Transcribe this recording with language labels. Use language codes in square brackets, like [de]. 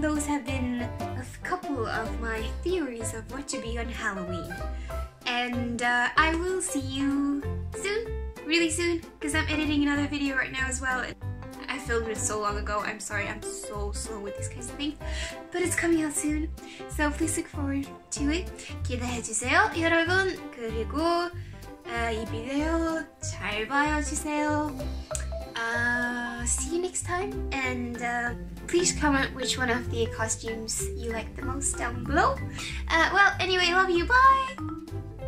[en] Those have been a couple of my theories of what to be on Halloween, and I will see you soon, really soon, because I'm editing another video right now as well. I filmed it so long ago, I'm sorry, I'm so slow with these kinds of things, but it's coming out soon, so please look forward to it. [ko] 기대해주세요, 여러분, 그리고 이 비디오 잘 봐주세요. [en] See you next time, and please comment which one of the costumes you like the most down below. Well, anyway, love you, bye!